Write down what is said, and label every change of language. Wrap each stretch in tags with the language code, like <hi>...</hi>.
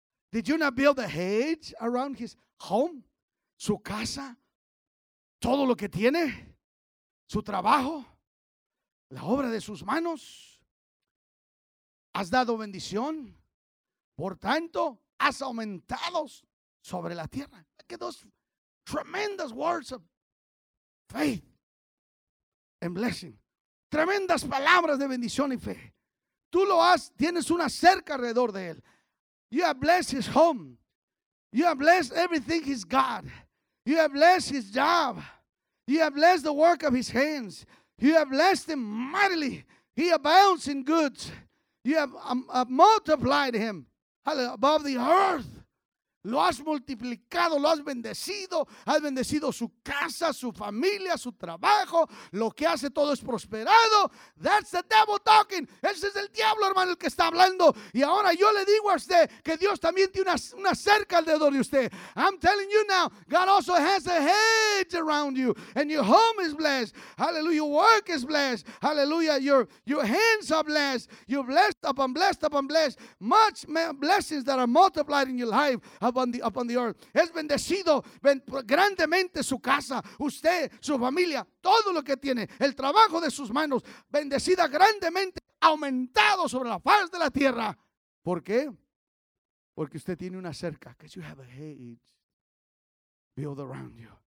<en>Did you not build a hedge around his home?</en> <es>Su casa, todo lo que tiene, su trabajo, la obra de sus manos, has dado bendición, por tanto, has aumentado sobre la tierra. Que dos tremendas</es> <en>words of faith and blessing.</en> <es>Tremendas palabras de bendición y fe. Tú lo has, tienes una cerca alrededor de él.</es> <en>You have blessed his home. You have blessed everything he's got. You have blessed his job. You have blessed the work of his hands. You have blessed him mightily. He abounds in goods. You have multiplied him above the earth.</en> <es>Lo has multiplicado, lo has bendecido. Has bendecido su casa, su familia, su trabajo. Lo que hace todo es prosperado.</es> <en>That's the devil talking.</en> <es>Ese es el diablo, hermano, el que está hablando. Y ahora yo le digo a usted que Dios también tiene una cerca alrededor de usted.</es> <en>I'm telling you now, God also has a hedge around you. And your home is blessed. Hallelujah, your work is blessed. Hallelujah, your hands are blessed. You're blessed upon blessed upon blessed. Much blessings that are multiplied in your life. Upon the earth.</en> <es>Es bendecido grandemente su casa, usted, su familia, todo lo que tiene, el trabajo de sus manos, bendecida grandemente, aumentado sobre la faz de la tierra. ¿Por qué? Porque usted tiene una cerca.</es> <en>Because you have a hedge built around you.</en>